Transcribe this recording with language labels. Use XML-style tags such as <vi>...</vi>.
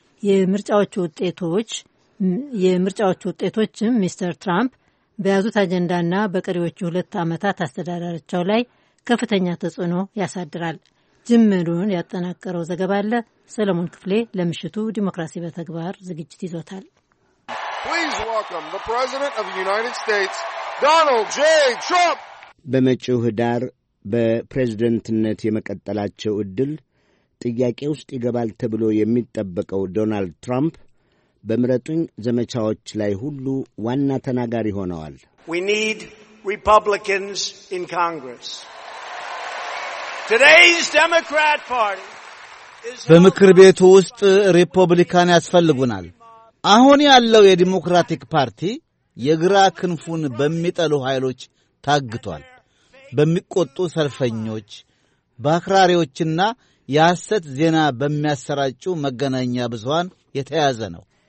<am>የምርጫዎቹ ውጤቶችም ሚስተር ትራምፕ በያዙት አጀንዳና በቀሪዎቹ ሁለት ዓመታት አስተዳደራቸው ላይ ከፍተኛ ተጽዕኖ ያሳድራል። ጅምሩን ያጠናቀረው ዘገባ አለ። ሰለሞን ክፍሌ ለምሽቱ ዲሞክራሲ በተግባር ዝግጅት ይዞታል።</am> <en>Please welcome the President of the United States, Donald J. Trump.</en> <am>በመጪው ህዳር በፕሬዝደንትነት የመቀጠላቸው ዕድል ጥያቄ ውስጥ ይገባል ተብሎ የሚጠበቀው ዶናልድ ትራምፕ በምረጡኝ ዘመቻዎች ላይ ሁሉ ዋና ተናጋሪ ሆነዋል።</am> <en>We need Republicans in Congress. Today's Democrat Party is</en> <am>በምክር ቤቱ ውስጥ ሪፐብሊካን ያስፈልጉናል። አሁን ያለው የዲሞክራቲክ ፓርቲ የግራ ክንፉን በሚጠሉ ኃይሎች ታግቷል። በሚቆጡ ሰልፈኞች፣ ባክራሪዎችና ያሰት ዜና በሚያሰራጩ መገናኛ ብዙሃን የተያዘ ነው።</am>